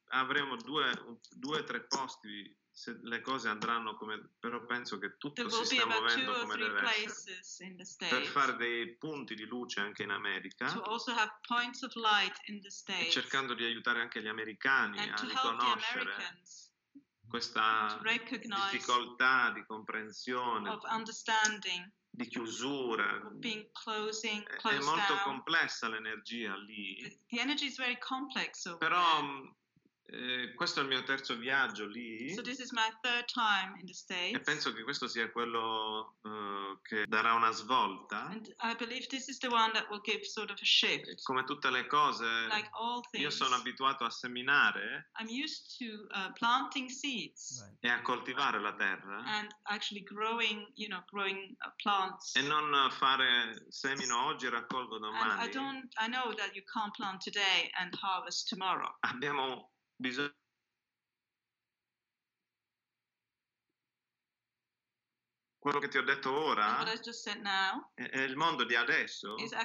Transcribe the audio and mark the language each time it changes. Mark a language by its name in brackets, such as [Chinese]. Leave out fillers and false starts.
[Italian] Più avremo due o tre posti se le cose andranno come però penso che tutto [English] there [Italian] si sta muovendo come deve essere per fare dei punti di luce anche in America [English] also have points of light in the States, [Italian] e cercando di aiutare anche gli americani a riconoscere questa difficoltà di comprensione [English] of understanding, [Italian] di chiusura [English] being closing, [Italian] è molto [English] down. [Italian] Complessa l'energia lì [English] the energy is very complex over [Italian] però [English] there. [Italian] Questo è il mio terzo viaggio lì [English] so this is my third time in the States. [Italian] E penso che questo sia quello che darà una svolta come tutte le cose [English] like all things, [Italian] io sono abituato a seminare [English] I'm used to, planting seeds right. [Italian] E a coltivare la terra [English] and actually growing, you know, growing plants. [Italian] E non fare semino oggi e raccolgo domani [English] and I know that you can't plant today and harvest tomorrow. [Italian] Abbiamo quello che ti ho detto ora è il mondo di adesso.